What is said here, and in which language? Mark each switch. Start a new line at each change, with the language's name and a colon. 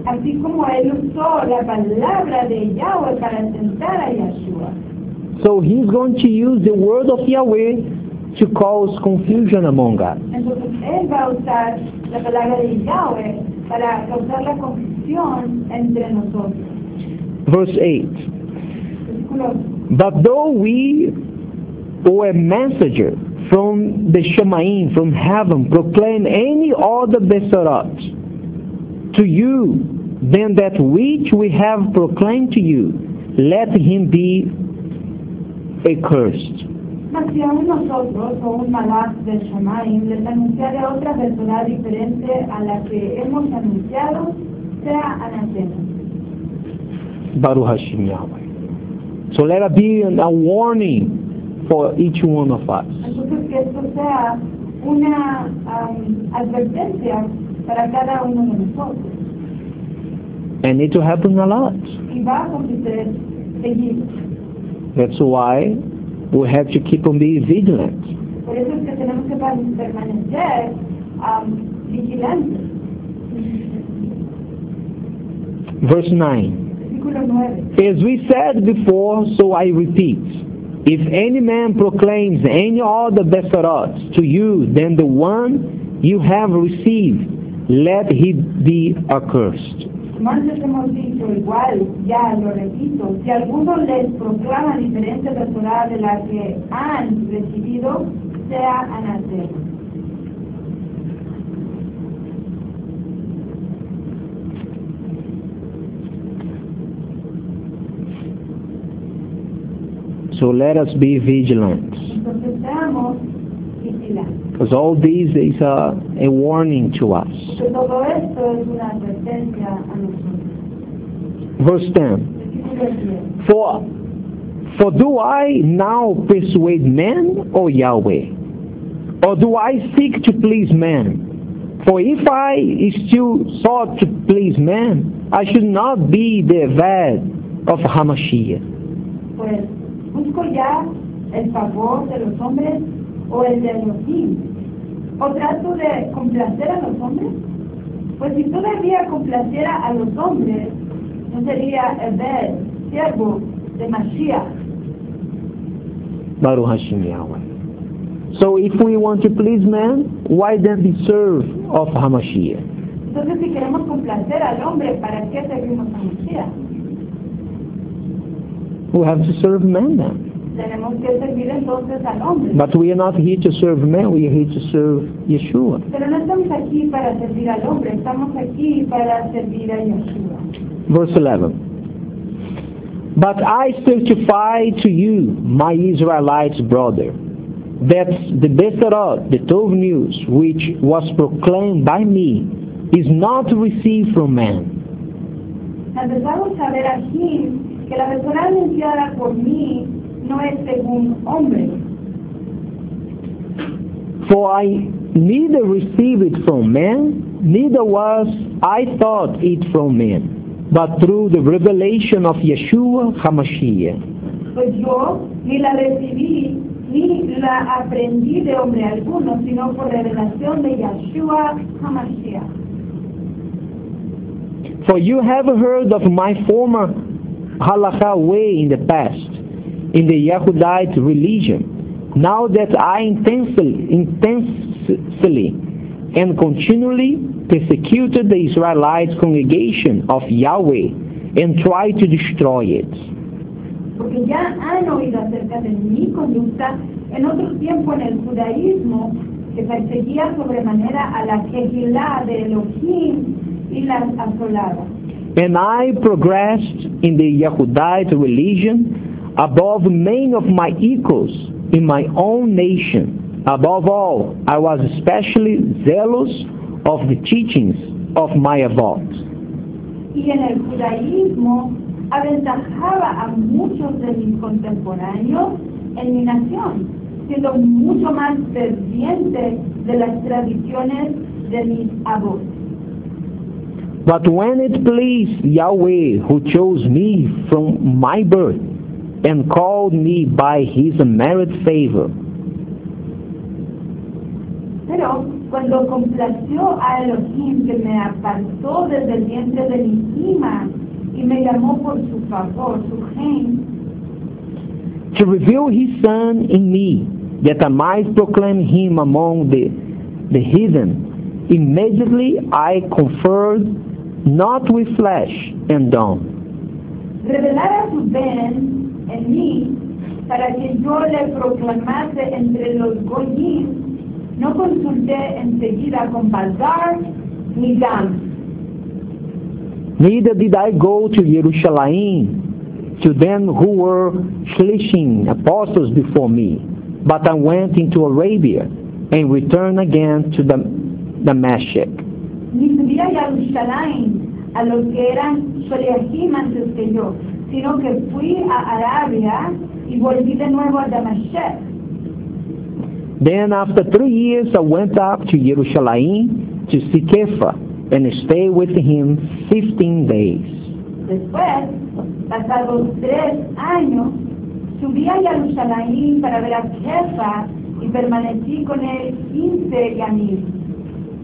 Spanish: Así como él usó la palabra de Yahweh para tentar a Yeshua.
English: So he's going to use the word of Yahweh to cause confusion among us.
Spanish: Entonces, él va a usar la palabra de Yahweh para causar la confusión entre nosotros.
English: Verse 8. But though we or a messenger from the Shemaim, from heaven, proclaim any other Besarot to you than that which we have proclaimed to you, let him be accursed.
Spanish: Mas si aún nosotros o un malach de Shemaim les anunciare otra persona diferente a la que hemos anunciado, sea anatema.
Hebrew: Baruch Hashem Yahweh.
English: So let it be a warning for each one of us.
Spanish: Entonces que esto sea una advertencia para cada uno de nosotros.
English: And it will happen a lot.
Spanish: Y va a acontecer seguido.
English: That's why we have to keep on being vigilant.
Spanish: Por eso es que tenemos que permanecer vigilantes.
English: Verse 9. As we said before, so I repeat, if any man proclaims any other Besarot to you than the one you have received, let he be accursed.
Spanish: Como antes hemos dicho, igual, ya lo repito, si alguno les proclama diferente persona de la que han recibido, sea anatema.
English: So let us be vigilant.
Spanish: Entonces seamos vigilantes.
English: Because all this is a warning to us.
Spanish: Todo esto es una advertencia a nosotros.
English: Verse 10. For do I now persuade men or Yahweh? Or do I seek to please men? For if I still sought to please men, I should not be the avad of HaMashiach.
Spanish: Pues, busco ya el favor de los hombres o el de los hijos. ¿O trato de complacer a los hombres? Pues si todavía complaciera a los hombres, no sería Ebed, siervo de Mashiach.
Hebrew: Baruch Hashem Yahweh.
English: So if we want to please men, why then be serve of HaMashiach?
Spanish: Entonces si queremos complacer al hombre, ¿para qué servimos a Mashiach?
English: We have to serve men then.
Spanish: Tenemos que servir entonces al hombre.
English: But we are not here to serve men, we are here to serve Yeshua.
Spanish: Pero no estamos aquí para servir al hombre, estamos aquí para servir a Yeshua.
English: Verse 11. But I certify to you, my Israelite brother, that the Besorot, the Tov news, which was proclaimed by me, is not received from man.
Spanish: Empezamos a ver aquí que la Besorá anunciada por mí no es según hombre.
English: For I neither received it from man, neither was I taught it from men, but through the revelation of Yeshua HaMashiach.
Spanish: Pues yo ni la recibí ni la aprendí de hombre alguno, sino por revelación de Yeshua HaMashiach.
English: For you have heard of my former halakha way in the past, in the Yehudite religion. Now that I intensely and continually persecuted the Israelite congregation of Yahweh and tried to destroy it.
Spanish: Porque ya han oído acerca de mi conducta en otro tiempo en el judaísmo, que perseguía sobremanera a la Kehilá de Elohim.
English: And I progressed in the Yehudite religion above many of my equals in my own nation. Above all, I was especially zealous of the teachings of my avot.
Spanish: Y en el judaísmo aventajaba a muchos de mis contemporáneos en mi nación, siendo mucho más ferviente de las tradiciones de mis avot.
English: But when it pleased Yahweh, who chose me from my birth and called me by his unmerited favor.
Spanish: Pero cuando complació a Elohim que me apartó desde el vientre de mi ima y me llamó por su favor, su gen,
English: to reveal his son in me, that I might proclaim him among the heathen, immediately I conferred not with flesh and dawn.
Spanish: Revelar a su ben en mí para que yo le proclamase entre los goyim, no consulté enseguida con Balzar ni Dan.
English: Neither did I go to Jerusalem to them who were fleshing apostles before me, but I went into Arabia and returned again to Damascus.
Spanish: Ni subí a Jerusalén a los que eran Shaliahim antes que yo, sino que fui a Arabia y volví de nuevo a Damascus.
English: Then after 3 years I went up to Jerusalén to see Kepha and stay with him 15 days.
Spanish: Después, pasados 3 años, subí a Jerusalén para ver a Kepha y permanecí con él 15 días.